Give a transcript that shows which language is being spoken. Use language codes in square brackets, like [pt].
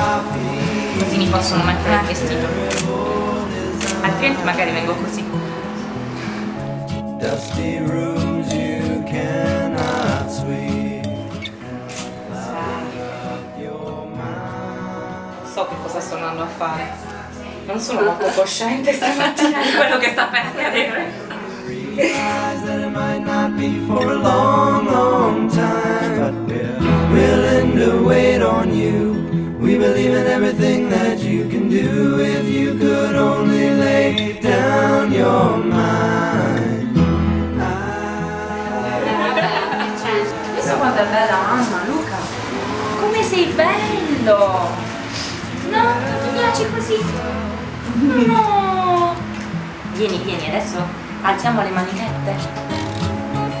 [it] Così mi possono mettere il vestito, altrimenti magari vengo così. [en] Dusty rooms you cannot sweep. [it] So che cosa sto andando a fare. Non sono molto cosciente stamattina di quello che sta per accadere. [en] That it might not be for a long, long time, but we're willing to wait on you. We believe in everything that you can do if you could only lay down your mind. [it] Questo quanto è bella Anna, Luca, come sei bello. No, ti piace così. No, vieni, vieni adesso. Alziamo le manichette.